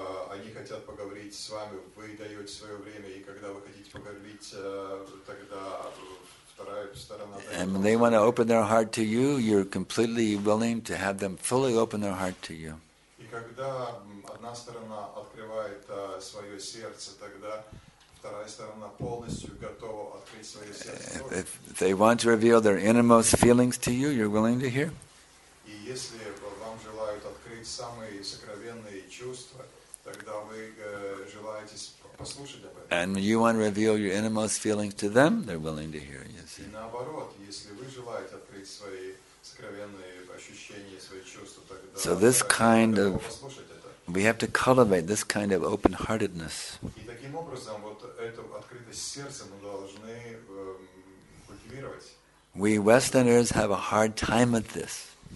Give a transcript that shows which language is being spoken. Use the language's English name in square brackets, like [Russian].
[Russian] Они хотят поговорить с вами, вы даете свое время, и когда вы хотите поговорить, тогда вторая сторона. [English] And when they want to open their heart to you, you're completely willing to have them fully open their heart to you. [Russian] И когда одна сторона открывает свое сердце, тогда вторая сторона полностью готова открыть свое сердце. [English] If they want to reveal their innermost feelings to you, you're willing to hear. [Russian] И если вам желают открыть самые сокровенные чувства, тогда вы желаете послушать об этом. [English] And you want to reveal your innermost feelings to them, they're willing to hear, you see. [Russian] И наоборот, если вы желаете открыть свои сокровенные ощущения, свои чувства, тогда [English] So this kind of we have to cultivate this kind of open-heartedness. [Russian] И таким образом вот эту открытость сердца мы должны культивировать. [English] We Westerners have a hard time with this.